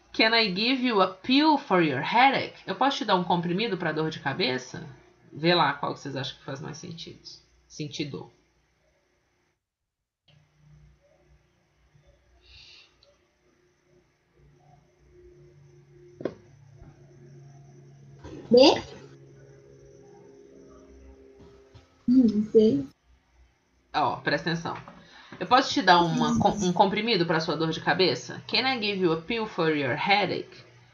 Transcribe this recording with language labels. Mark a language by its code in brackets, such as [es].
[en] Can I give you a pill for your headache? [pt] Eu posso te dar um comprimido para dor de cabeça? Vê lá qual que vocês acham que faz mais sentido. Sentido. B? Não sei. Ó, presta atenção. Eu posso te dar um comprimido para sua dor de cabeça? [en] Can I give you a pill for your headache?